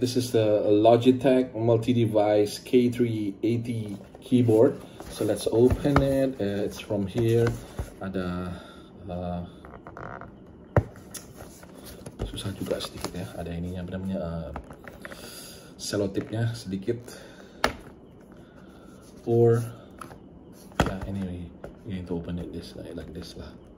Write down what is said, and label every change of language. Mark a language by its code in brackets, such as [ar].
[en] This is the Logitech multi-device K380 keyboard. So let's open it. It's from here. [id] Ada susah juga sedikit ya, ada ininya apa namanya, selotipnya sedikit. [en] Or yeah, anyway, you need to open it this way, like this lah.